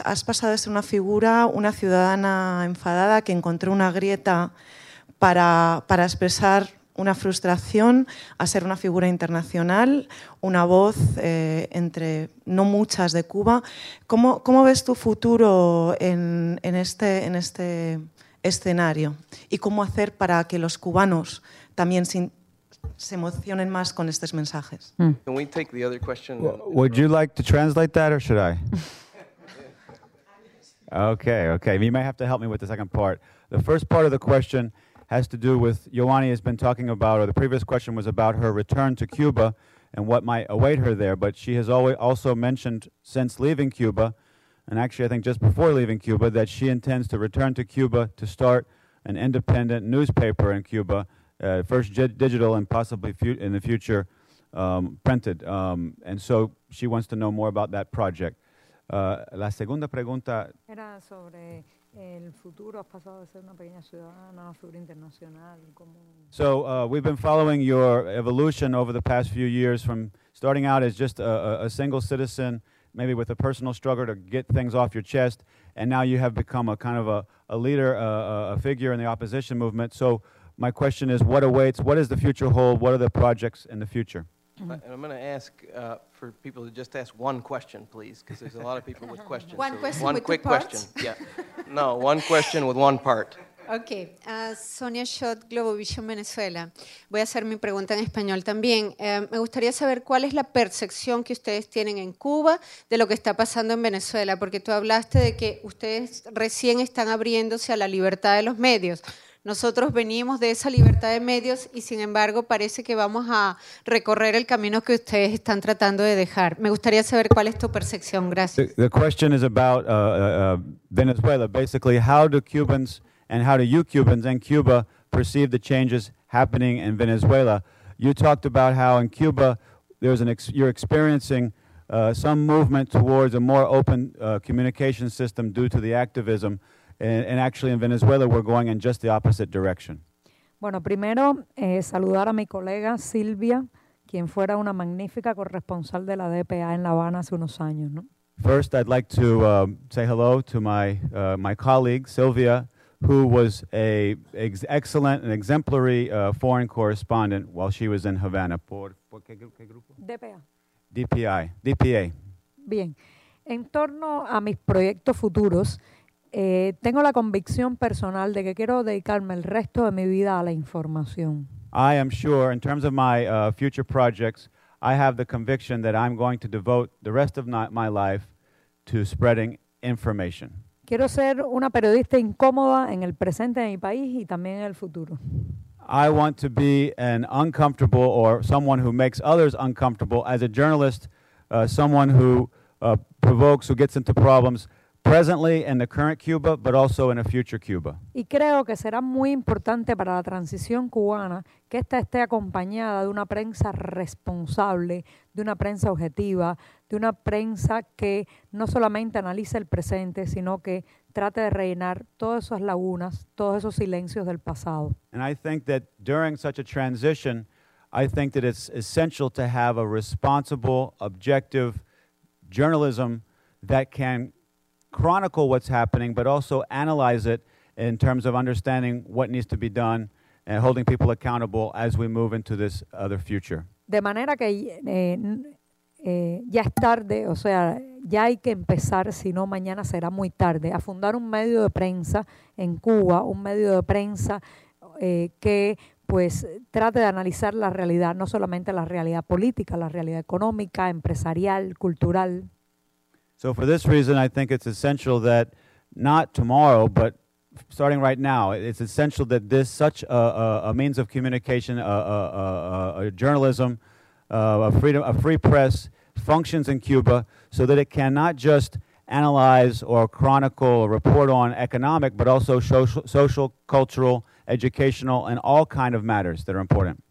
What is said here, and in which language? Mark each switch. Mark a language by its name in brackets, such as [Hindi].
[Spanish] Has pasado de ser una figura, una ciudadana enfadada que encontró una grieta para expresar una frustración, a ser una figura internacional, una voz entre no muchas de Cuba. ¿Cómo ves tu futuro en este escenario? ¿Y cómo hacer para que los cubanos también se emocionen más con estos mensajes? [English] Can we take the other question? Would you like to translate that, or should I? Okay. You may have to help me with the second part. The first part of the question has to do with, Ioani has been talking about, or the previous question was about her return to Cuba and what might await her there, but she has also mentioned since leaving Cuba, and actually I think just before leaving Cuba, that she intends to return to Cuba to start an independent newspaper in Cuba, first digital and possibly in the future printed. And so she wants to know more about that project. [Spanish] La segunda pregunta era sobre el futuro. Has pasado de ser una pequeña ciudadana, una figura internacional. [English] So we've been following your evolution over the past few years, from starting out as just a single citizen, maybe with a personal struggle to get things off your chest, and now you have become a kind of a leader, a figure in the opposition movement. So my question is, what awaits? What does the future hold? What are the projects in the future? And I'm going to ask for people to just ask one question, please, because there's a lot of people with questions. One question, one with quick two parts? Question. Yeah. No, one question with one part. Okay. Sonia Schott, Globovision Venezuela. [Spanish] Voy a hacer mi pregunta en español también. Me gustaría saber cuál es la percepción que ustedes tienen en Cuba de lo que está pasando en Venezuela, porque tú hablaste de que ustedes recién están abriéndose a la libertad de los medios. Nosotros venimos de esa libertad de medios y, sin embargo, parece que vamos a recorrer el camino que ustedes están tratando de dejar. Me gustaría saber cuál es tu percepción. Gracias. [English] The question is about Venezuela. Basically, how do Cubans and how do you Cubans and Cuba perceive the changes happening in Venezuela? You talked about how in Cuba there's you're experiencing some movement towards a more open communication system due to the activism. And actually in Venezuela we're going in just the opposite direction. [Spanish] Bueno, primero saludar a mi colega Silvia, quien fuera una magnífica corresponsal de la DPA en La Habana hace unos años, ¿no? [English] First, I'd like to say hello to my colleague Silvia, who was excellent and exemplary foreign correspondent while she was in Havana. [Spanish] ¿Por qué grupo? DPA. DPI. DPA. Bien. En torno a mis proyectos futuros, tengo la convicción personal de que quiero dedicarme el resto de mi vida a la información. [English] I am sure, in terms of my future projects, I have the conviction that I'm going to devote the rest of my life to spreading information. [Spanish] Quiero ser una periodista incómoda en el presente de mi país y también en el futuro. [English] I want to be an uncomfortable or someone who makes others uncomfortable as a journalist, someone who provokes, who gets into problems presently in the current Cuba, but also in a future Cuba. [Spanish] Y creo que será muy importante para la transición cubana que esta esté acompañada de una prensa responsable, de una prensa objetiva, de una prensa que no solamente analice el presente, sino que trate de rellenar todas esas lagunas, todos esos silencios del pasado. [English] And I think that during such a transition, I think that it's essential to have a responsible, objective journalism that can chronicle what's happening, but also analyze it in terms of understanding what needs to be done and holding people accountable as we move into this other future. [Spanish] De manera que ya es tarde, o sea, ya hay que empezar, si no mañana será muy tarde, a fundar un medio de prensa en Cuba, un medio de prensa que pues trate de analizar la realidad, no solamente la realidad política, la realidad económica, empresarial, cultural. [English] So for this reason, I think it's essential that not tomorrow, but starting right now, it's essential that this such a means of communication, a journalism, a freedom, a free press functions in Cuba so that it can not just analyze or chronicle or report on economic, but also social, cultural, educational, and all kind of matters that are important.